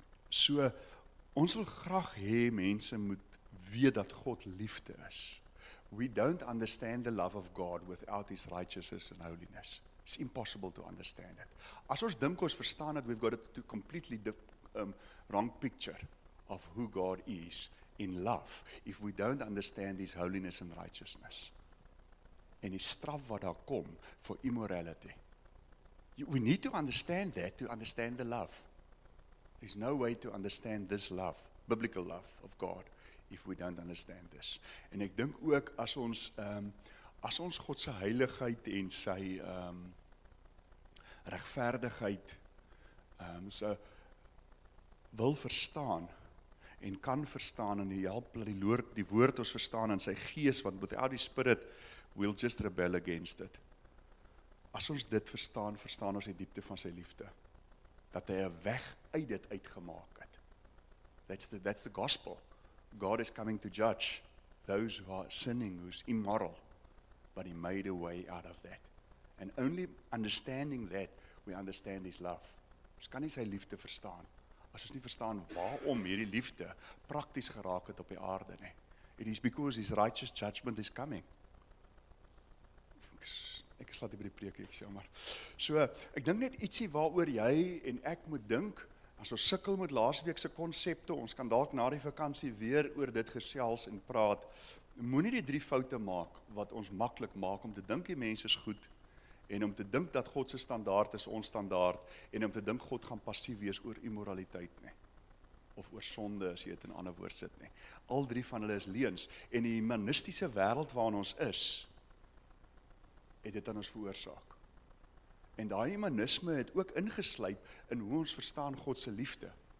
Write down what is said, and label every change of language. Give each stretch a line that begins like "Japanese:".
Afrikaans: So ons wil graag hê mense moet weet dat God liefde is.
English: We don't understand the love of God without his righteousness and holiness. It's impossible to understand it.
Afrikaans: As ons dink ons verstaan dat
English: we've got a completely wrong picture of who God is in love if we don't understand his holiness and righteousness.
Afrikaans: En die straf wat daar kom vir immorality.
English: We need to understand that to understand the love. There's no way to understand this love, biblical love of God, if we don't understand this.
Afrikaans: En ek dink ook as ons God se heiligheid en sy regverdigheid se wil verstaan en kan verstaan en die help dat die woord ons verstaan in sy gees, want
English: without the spirit we'll just rebel against it.
Afrikaans: As ons dit verstaan, verstaan ons die diepte van sy liefde. Dat hy 'n weg uit dit uitgemaak het.
English: That's the gospel. God is coming to judge those who are sinning, who's immoral, but he made a way out of that. And only understanding that, we understand his love.
Afrikaans: Ons kan nie sy liefde verstaan as ons nie verstaan waarom hierdie liefde prakties geraak het op die aarde nie.
English: It is because his righteous judgment is coming.
Afrikaans: Ek slaat hier by die preek, ek sê maar. So, ek dink net ietsie waaroor jy en ek moet dink, as ons sukkel met laasweek se konsepte, ons kan dalk na die vakansie weer oor dit gesels en praat. Moenie die drie foute maak wat ons maklik maak om te dink die mense is goed en om te dink dat God se standaard is ons standaard en om te dink God gaan passief wees oor immoraliteit nie of oor sonde as jy dit in 'n ander woord sit nie. Al drie van hulle is leuns en die humanistiese wêreld waarin ons is het dit aan ons veroorsaak. En daai humanisme het ook ingesluip in hoe ons verstaan God se liefde.